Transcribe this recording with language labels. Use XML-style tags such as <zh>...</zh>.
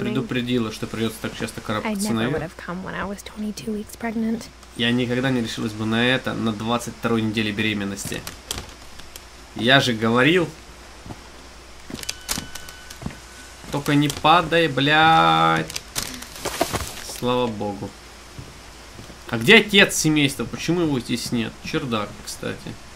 <ru>предупредила, что придется так часто карабкаться</ru> <en>I'd never</en> <ru>наверх,</ru> <en>would have come when I was 22 weeks pregnant.</en> <ru>Я никогда не решилась бы на это на 22-й неделе беременности. Я же говорил. Только не падай, блядь. Слава богу. А где отец семейства? Почему его здесь нет? Чердак, кстати.</ru>